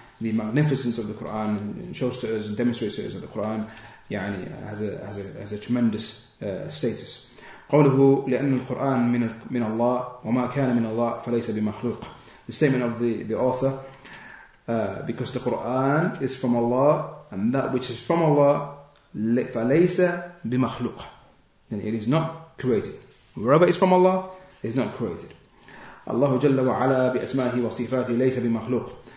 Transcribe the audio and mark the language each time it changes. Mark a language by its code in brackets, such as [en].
[en] the magnificence of the Quran and shows to us and demonstrates to us that the Quran يعني, has a tremendous status. [ar] قوله لأن القرآن من الله وما كان من الله فليس بمخلوق. [en] The statement of the author, because the Quran is from Allah and that which is from Allah [ar] فليس بمخلوق. [en] And it is not created. Wherever it's from Allah, it's not created. [ar] الله جل وعلا بأسمائه وصفاته ليس بمخلوق.